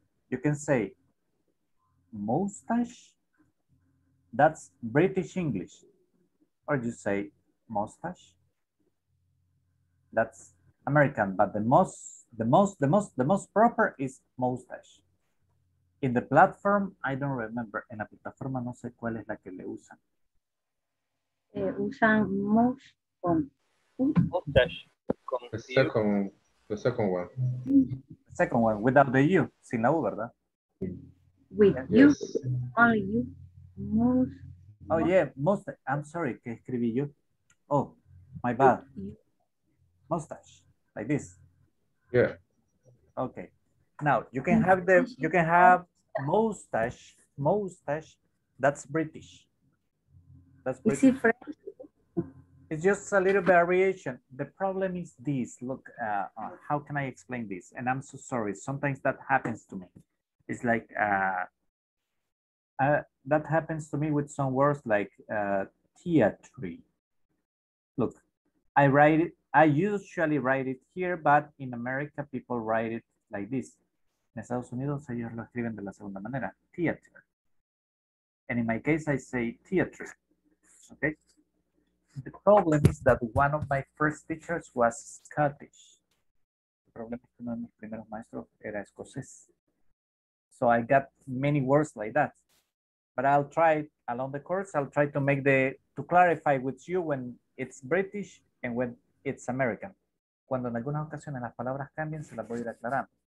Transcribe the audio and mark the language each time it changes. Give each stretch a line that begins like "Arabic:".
English: You can say mustache. That's British English. Or you say mustache. That's American, but the most proper is mustache. In the platform, I don't remember.
Spanish: En la plataforma no sé cuál es la que le usan. Usan
English: mustache. The second one. Second one without the U,
Spanish: sin la U, ¿verdad?
English: With you, only you, mustache. Oh yeah, mustache. I'm sorry,
Spanish: que escribí yo.
English: Oh, my bad. Mustache, like this. Yeah. Okay. Now you can have the mustache. That's British. Is it French? It's just a little variation. The problem is this. Look, how can I explain this? And I'm so sorry. Sometimes that happens to me. It's like that happens to me with some words like theatre. Look, I usually write it here, but in America people write it like this.
Spanish: En Estados Unidos ellos lo escriben de la segunda manera, theater.
English: And in my case I say theatre. Okay. The problem is that one of my first teachers was Scottish. The problem is that one of my
Spanish: primeros maestros era escocés.
English: So I got many words like that. But I'll try along the course, I'll try to make to clarify with you when it's British and when it's American.
Spanish: Cuando en algunas ocasiones las palabras cambien, se las voy a ir aclarando.